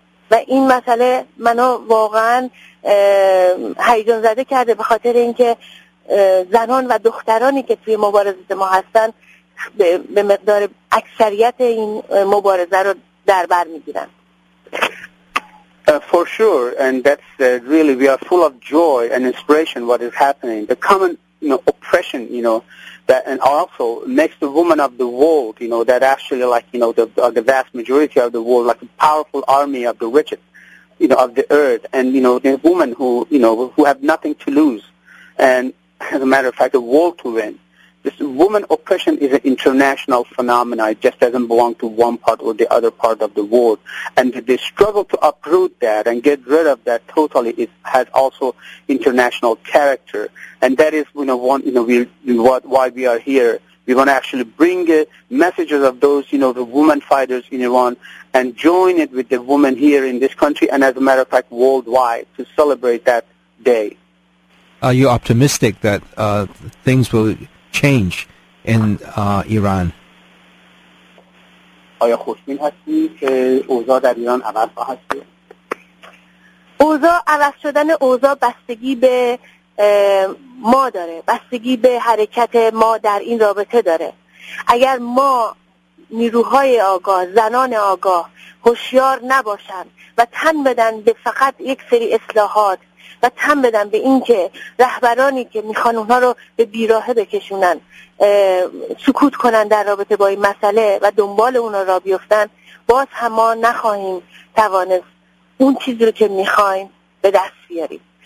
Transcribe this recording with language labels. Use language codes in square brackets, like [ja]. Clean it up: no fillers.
[fa] و این مسئله منو واقعا هیجان زده کرده، به خاطر اینکه زنان و دخترانی که توی مبارزه ما هستن به مقدار اکثریت این مبارزه رو در بر میگیرن. [en] For sure, and that's really we are full of joy and inspiration what is happening. The common oppression, that and also makes the women of the world, that actually the vast majority of the world, like a powerful army of the richest, of the earth, and the women who have nothing to lose, and as a matter of fact, a war to win. This woman oppression is an international phenomenon. It just doesn't belong to one part or the other part of the world. And the struggle to uproot that and get rid of that totally has also international character. And that is, why we are here. We want to actually bring messages of those, the women fighters in Iran and join it with the women here in this country and, as a matter of fact, worldwide to celebrate that day. Are you optimistic that things will change in Iran? [fa] آیا خوشبین هستی که اوضاع در ایران عوض خواهد شد؟ اوضاع عوض شدن اوضاع بستگی به ما داره، بستگی به حرکت ما در این رابطه داره. اگر ما نیروهای آگاه، زنان آگاه هوشیار نباشند و تن بدن به فقط یک سری اصلاحات و تن بدن به این که رهبرانی که میخوان اونها رو به بیراهه بکشونن سکوت کنن در رابطه با این مسئله و دنبال اونها را بیفتن، باز هم ما نخواهیم توانست اون چیز رو که میخواییم به دست بیاریم.